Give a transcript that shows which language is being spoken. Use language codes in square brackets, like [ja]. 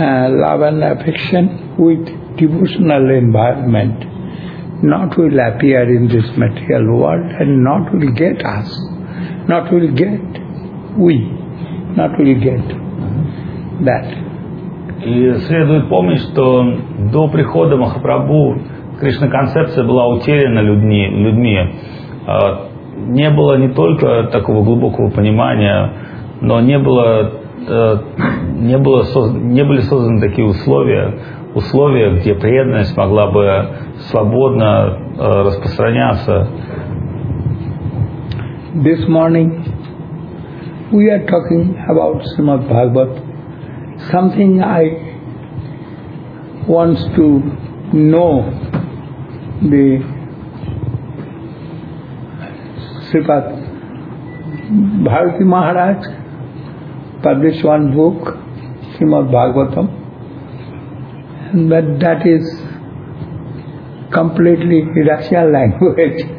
[en] love and affection with devotional environment not will appear in this material world and not will get us, not will get we, not will get that. [ru] И следует помнить, что до прихода Махапрабху Кришна концепция была утеряна людьми. Не было не только такого глубокого понимания, но не были созданы такие условия, где преданность могла бы свободно распространяться. [en] This morning we are talking about Srimad Bhagavat. Something I want to know the Sripad Bharati Maharaj published one book, Srimad Bhagavatam, but that is completely Russian language.